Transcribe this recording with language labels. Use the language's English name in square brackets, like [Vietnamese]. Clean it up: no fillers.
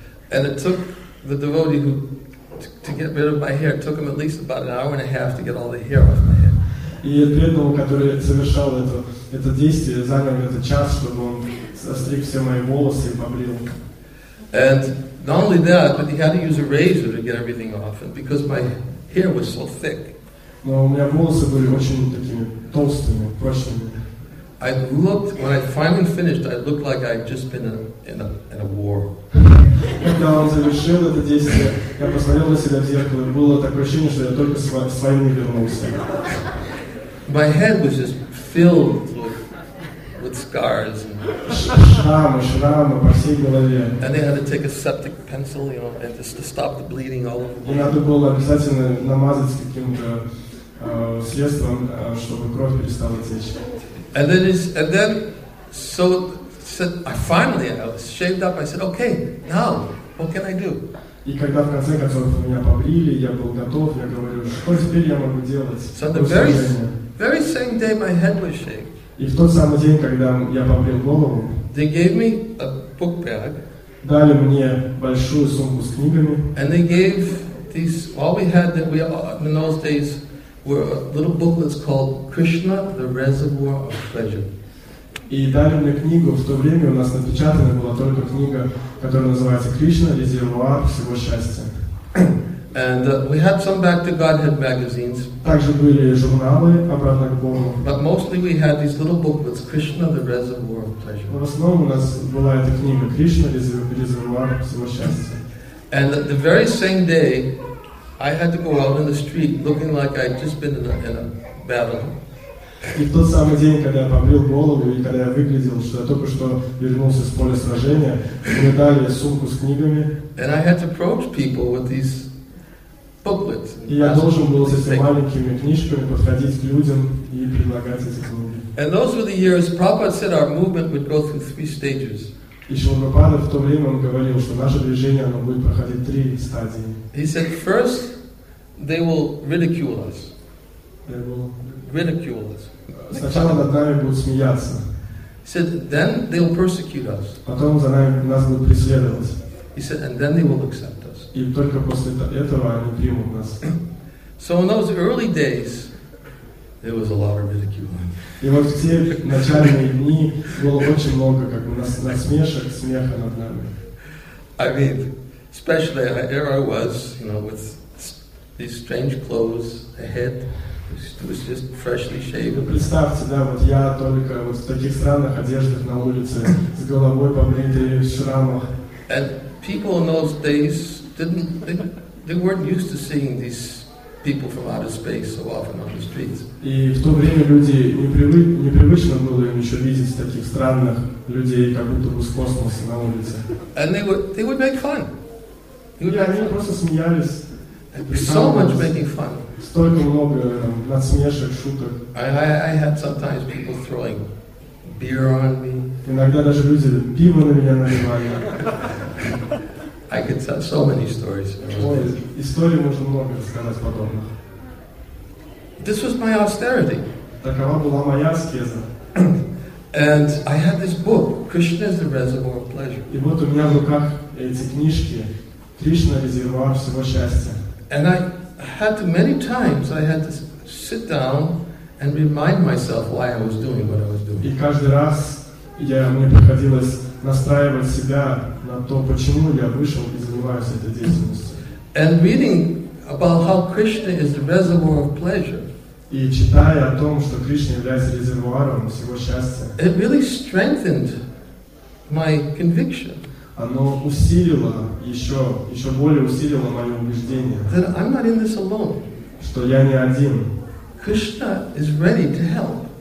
[English] And it took the devotee who to get rid of my hair. It took him at least about an hour and a half to get all the hair off my head. [Russian] И преданному, который совершал это действие, занял это час, чтобы он состриг все мои волосы и побрил. [English] And not only that, but he had to use a razor to get everything off, and because my hair was so thick. [Russian] Но у меня волосы были очень такими толстыми, прочными. [English] I looked when I finally finished. I looked like I'd just been in a war. [Russian] Когда он завершил это действие, я посмотрел на себя в зеркало, и было такое ощущение, что я только с войны вернулся. [English] My head was just filled with scars. [Russian] Шрамы по всей голове. [English] And they had to take a septic pencil, you know, and just to stop the bleeding all over. [Russian] И надо было обязательно намазать каким-то средством, чтобы кровь перестала течь. [English] And then, I finally, I was shaved up. I said, "Okay, now, what can I do?" [Russian] И когда в конце концов меня побрили, я был готов. Я говорю, что теперь я могу делать? [English] So the very same day my head was shaved. [Russian] И в тот самый день, когда я побрил голову, [English] they gave me a book bag. [Russian] Дали мне большую сумку с книгами. [English] And they gave these. All we had that we in those days were little booklets called Krishna, the Reservoir of Pleasure. [Russian] И дали мне книгу, в то время у нас напечатана была только книга, которая называется «Кришна, резервуар всего счастья». [English] And we had some Back to Godhead magazines. [Russian] Также были журналы «Обратно к Богу». [English] But mostly we had these little booklets, «Krishna, the Reservoir of Pleasure». [Russian] В основном у нас была эта книга «Кришна, резервуар всего счастья». [English] And the very same day, I had to go out in the street looking like I'd just been in a battle. [Russian] И в тот самый день, когда я побрил голову и когда я выглядел, что я только что вернулся с поля сражения, мне дали сумку с книгами. [English] And I had to approach people with these booklets. [Russian] И я должен был с этими маленькими книжками подходить к людям и предлагать эти книги. [English] And those were the years Prabhupada said our movement would go through three stages. [Russian] И Шрила Прабхупада в то время он говорил, что наше движение оно будет проходить три стадии. [English] He said, first, they will ridicule us. Ridicule us. [Russian] Сначала над нами будут смеяться. [English] He said, then they will persecute us. [Russian] Потом за нами нас будут преследовать. [English] He said, and then they will accept us. [Russian] И только после этого они примут нас. [English] So in those early days, there was a lot of ridicule. [Russian] И вот в те начальные дни было очень много как бы насмешек, смеха над нами. [English] I mean, especially here I was, you know, with these strange clothes, a head. It was just freshly shaved. [Russian] Представьте, да, вот я только вот в таких странных одеждах на улице, с головой побритой, в шрамах. [English] And people in those days they weren't used to seeing these people from outer space so often on the streets. [Russian] И в то время люди непривычно было им еще видеть таких странных людей, как будто бы с космоса на улице. [English] And they would make fun. [Russian] Они просто смеялись. [English] So much making fun. [Russian] Столько много надсмешек, шуток. [English] I had sometimes people throwing beer on me. [Russian] Иногда даже люди пиво на меня наливали. [English] I could tell so many stories. [Russian] Историй можно много рассказать подобных. [English] This was my austerity. [Russian] Такова была моя аскеза. [English] And I had this book, Krishna is the Reservoir of Pleasure. [Russian] И вот у меня в руках эти книжки, Кришна резервуар всего счастья. [English] And I had to, many times I had to sit down and remind myself why I was doing what I was doing. [Russian] И каждый раз мне приходилось настраивать себя на то, почему я вышел и занимаюсь этой деятельностью. [English] And reading about how Krishna is the reservoir of pleasure. [Russian] И читая о том, что Кришна является резервуаром всего счастья. [English] It really strengthened my conviction. [Russian] Оно усилило, еще более усилило мое убеждение. [English] That I'm not in this alone. [Russian] Что я не один. [English] Krishna is ready to help.